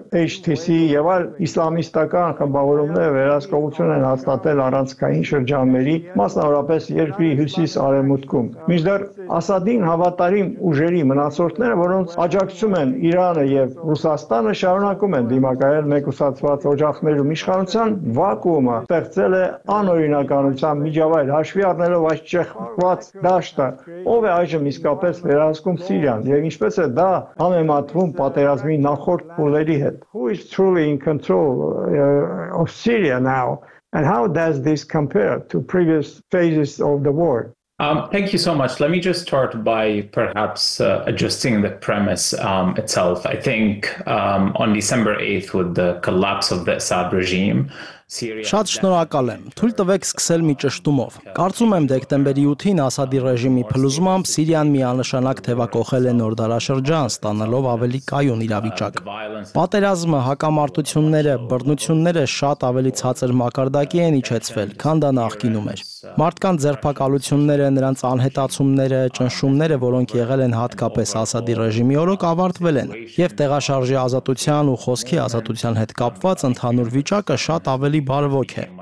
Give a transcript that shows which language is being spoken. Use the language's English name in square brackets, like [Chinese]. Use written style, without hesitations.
[Armenian] HTC եւ այլ իսլամիստական խմբավորումները վերահսկողություն են հաստատել առանցքային շրջանների, մասնավորապես երկրի հյուսիս արևմուտքում։ Մինչդեռ Ասադին հավատարիմ ուժերի մնացորդները, որոնց աջակցում են Իրանը եւ Ռուսաստանը, շարունակում են դիմակայել մեկուսացված օջախներում, իշխանության վակուումը ստեղծել է անօրինականության միջավայր, հաշվի առնելով այս չեղված դաշտը, ով է այժմ իսկապես վերահսկում Սիրիան։ Եվ ինչպես է դա համեմատվում պատերազմի նախորդ փուլերի հետ։ [English] Who is truly in control of Syria now and how does this compare to previous phases of the war? Thank you so much. Let me just start by perhaps adjusting the premise itself. I think on December 8th with the collapse of the Assad regime, [Armenian] Շատ շնորհակալ եմ։ Թույլ տվեք սկսել մի ճշտումով։ Կարծում եմ դեկտեմբերի 8-ին Ասադի ռեժիմի փլուզմամբ Սիրիան միանշանակ թևակոխել է նոր դարաշրջան, ստանալով ավելի կայուն իրավիճակ։ Պատերազմը, հակամարտությունները, բռնությունները շատ ավելի ցածր մակարդակի են իջեցվել, քան դա նախկինում էր։ Մարդկանց ձերբակալությունները, նրանց անհետացումները, ճնշումները, որոնք եղել են հատկապես Ասադի ռեժիմի օրոք, ավարտվել են, եւ տեղաշարժի ազատության ու խոսքի ազատության հետ կապված ընդհանուր վիճակը շատ ավելի բարվոք է,